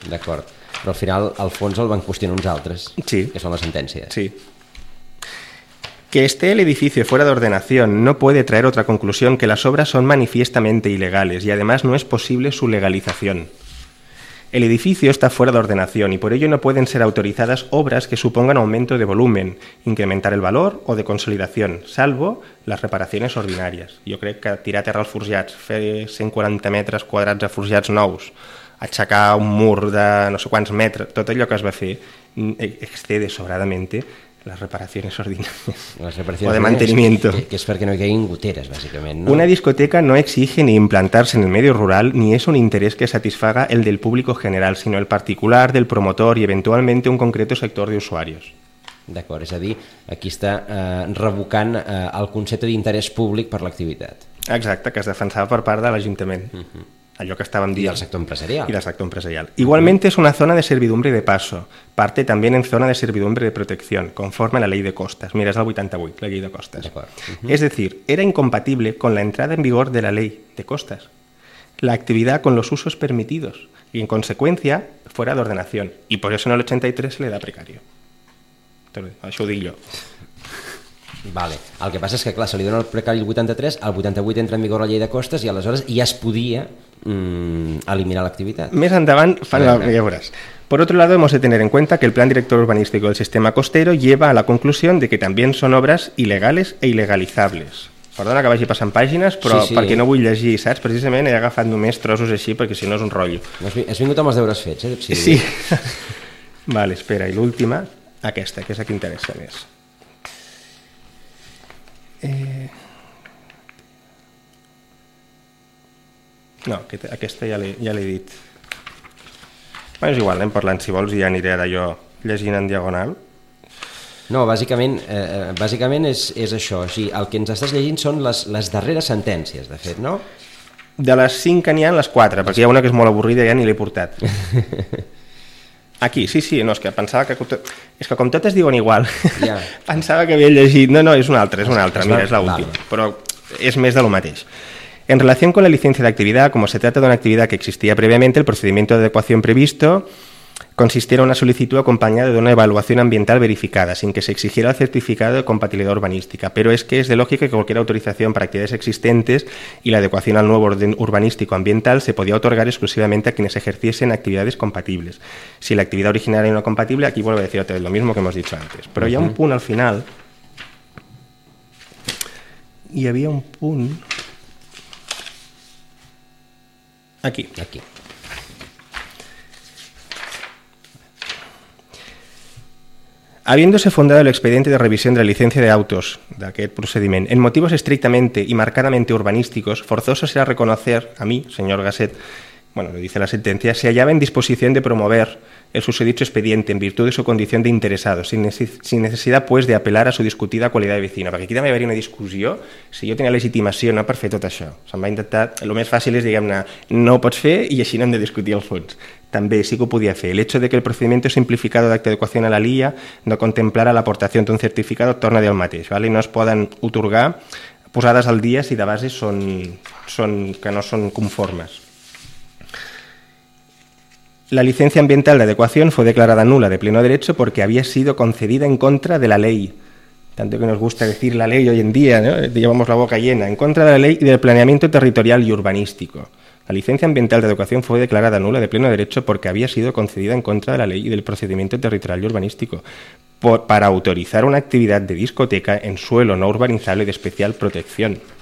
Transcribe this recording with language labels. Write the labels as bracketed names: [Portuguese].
[Catalan] D'acord, però al final el fons el van qüestionar uns altres, sí. Que són les sentències. Sí. [Spanish] Que esté el edificio fuera de ordenación no puede traer otra conclusión que las obras son manifiestamente ilegales y además no es posible su legalización. El edificio está fuera de ordenación y por ello no pueden ser autorizadas obras que supongan aumento de volumen, incrementar el valor o de consolidación, salvo las reparaciones ordinarias. [Catalan] Jo crec que tirar terra als forjats, fer 140 metres quadrats a forjats nous, aixecar un mur de no sé quants metres, tot allò que es va fer [Spanish] excede sobradamente las reparaciones ordinarias o de mantenimiento. [Catalan] Que es perquè no hi haguin goteres, bàsicament. ¿No? [Spanish] Una discoteca no exige ni implantarse en el medio rural ni es un interés que satisfaga el del público general, sino el particular del promotor y eventualmente un concreto sector de usuarios. [Catalan] D'acord, és a dir, aquí està revocant el concepte d'interès públic per l'activitat. Exacte, que es defensava per part de l'Ajuntament. Allò que estàvem dient. I el sector empresarial. I el sector empresarial. [Spanish] Igualmente es una zona de servidumbre de paso, parte también en zona de servidumbre de protección, conforme a la ley de costas. Mira, es el 88, la ley de costas. Es decir, era incompatible con la entrada en vigor de la ley de costas, la actividad con los usos permitidos, y en consecuencia, fuera de ordenación. Y por eso en el 83 se le da precario. [Catalan] Això ho dic jo. Vale. El que passa és que, clar, se li dona el precari el 83, el 88 entra en vigor la llei de costes i aleshores ja es podia eliminar l'activitat. Més endavant, ja veuràs. [Spanish] Por otro lado, hemos de tener en cuenta que el plan director urbanístico del sistema costero lleva a la conclusión de que también son obras ilegales e ilegalizables. [Catalan] Perdona que vagi passant pàgines, però sí, sí. Perquè no vull llegir, saps? Precisament he agafat només trossos així perquè si no és un rotllo. Has vingut amb els deures fets, eh? Sí. Sí. Vale, espera, i l'última, aquesta, que és la que interessa més. No, aquesta ja l'he dit. Bueno, és igual, anem parlant, si vols, i ja aniré d'allò llegint en diagonal. No, bàsicament és això. O sigui, el que ens estàs llegint són les darreres sentències, de fet, no? De les 5 que n'hi ha, les 4, perquè hi ha una que és molt avorrida i ja ni l'he portat. Aquí, sí, no, és que pensava que... És que com totes diuen igual, ja. Pensava que havia llegit... No, és una altra, mira, és l'última. Vale. Però és més de lo mateix. [Spanish] En relación con la licencia de actividad, como se trata de una actividad que existía previamente, el procedimiento de adecuación previsto consistiera una solicitud acompañada de una evaluación ambiental verificada, sin que se exigiera el certificado de compatibilidad urbanística. Pero es que es de lógica que cualquier autorización para actividades existentes y la adecuación al nuevo orden urbanístico ambiental se podía otorgar exclusivamente a quienes ejerciesen actividades compatibles. Si la actividad original era no compatible, aquí vuelvo a decir otra vez lo mismo que hemos dicho antes. Pero había un punto al final. Y había un punto. Aquí. Aquí. Habiéndose fundado el expediente de revisión de la licencia de autos de aquel procediment en motivos estrictamente y marcadamente urbanísticos, forzoso será reconocer a mí, señor Gasset, bueno, lo dice la sentencia, se hallaba en disposición de promover el susodicho expediente en virtud de su condición de interesado, sin necesidad, pues, de apelar a su discutida cualidad de vecino. [Catalan] Perquè aquí també hi hauria una discussió si jo tenia legitimació no, per fer tot això. Se'm va intentar, el més fàcil és, diguem-ne, no ho pots fer i així no hem de discutir el fons. També sí que ho podia fer. [Spanish] El hecho de que el procedimiento simplificado de acta de adecuación a la LIA no contemplara la aportación de un certificado [Catalan] torna del mateix. [Spanish] ¿Vale? [Catalan] No es poden otorgar posades al dia si de base són que no són conformes. [Spanish] La licencia ambiental de adecuación fue declarada nula de pleno derecho porque había sido concedida en contra de la ley. Tanto que nos gusta decir la ley hoy en día, ¿no? Llevamos la boca llena. En contra de la ley y del planeamiento territorial y urbanístico. La licencia ambiental de adecuación fue declarada nula de pleno derecho porque había sido concedida en contra de la ley y del procedimiento territorial y urbanístico para autorizar una actividad de discoteca en suelo no urbanizable de especial protección.